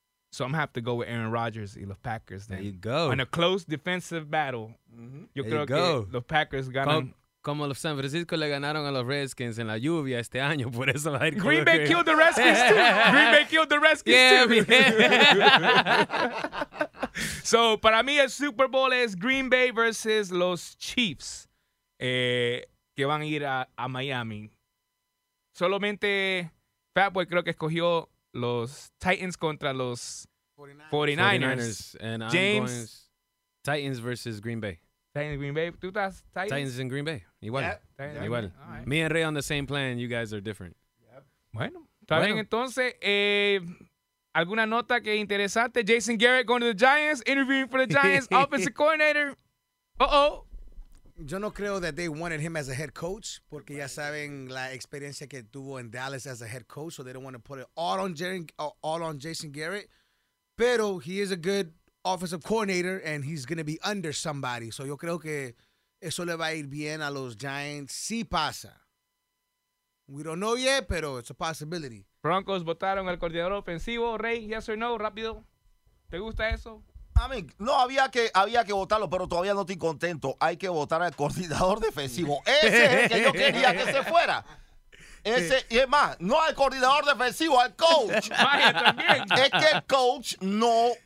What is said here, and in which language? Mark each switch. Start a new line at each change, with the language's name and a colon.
English: So, I'm have to go with Aaron Rodgers
Spanish: y los Packers.
English: Then. There you go. On a close defensive battle, yo there
Spanish: creo que los Packers ganan. Como los San Francisco le ganaron a los Redskins en la lluvia este año, por eso va a ir.
English: Green Bay killed the Redskins too.
Spanish: So, para mí el Super Bowl es Green Bay versus los Chiefs, que van a ir a Miami. Solamente Fatboy creo que escogió los Titans contra los 49ers.
English: And James. Titans versus Green Bay.
Spanish: Titans Green Bay. ¿Tú estás Titans?
English: Titans en Green Bay. Igual. Yep. Igual. Right. Me and Ray on the same plan. You guys are different.
Spanish: Yep. Bueno. Está bien. Entonces, ¿alguna nota que interesante?
English: Jason Garrett going to the Giants. Interviewing for the Giants. Offensive coordinator. Uh-oh.
Spanish: Yo no creo
English: that they wanted him as a head coach
Spanish: porque ya saben la experiencia que tuvo en Dallas
English: as a head coach, so they don't want to put it all on Jason Garrett. Pero he is a good offensive coordinator, and he's going to be under somebody.
Spanish: So, yo creo que eso le va a ir bien a los Giants. Sí pasa.
English: We don't know yet, pero it's a possibility.
Spanish: Broncos votaron al coordinador ofensivo. Rey, yes or no, rápido. ¿Te gusta eso? A mí, no, había que votarlo, pero todavía no estoy contento. Hay que votar al coordinador defensivo. Ese es el que yo quería que se fuera. Ese, y es más, no al coordinador defensivo, al coach. Vaya, también. Es que el coach no...